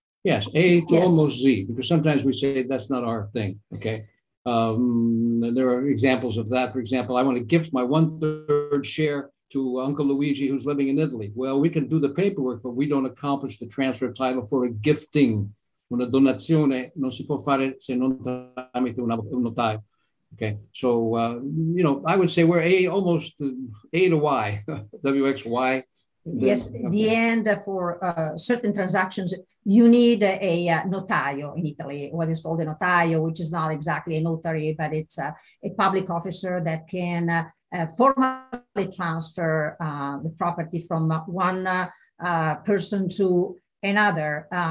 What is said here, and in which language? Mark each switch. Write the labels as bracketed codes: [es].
[en] Yes, A to almost Z, because sometimes we say that's not our thing, okay? There are examples of that. For example, I want to gift my 1/3 share to Uncle Luigi, who's living in Italy. Well, we can do the paperwork, but we don't accomplish the transfer of title for a gifting. [it] Una donazione non si può fare se non tramite un notaio. [en] Okay, so, you know, I would say we're almost A to Y, WXY. Yes, the end for certain transactions, you need a notaio in Italy, what is called a notaio, which is not exactly a notary, but it's a public officer that can formally transfer the property from one person to another.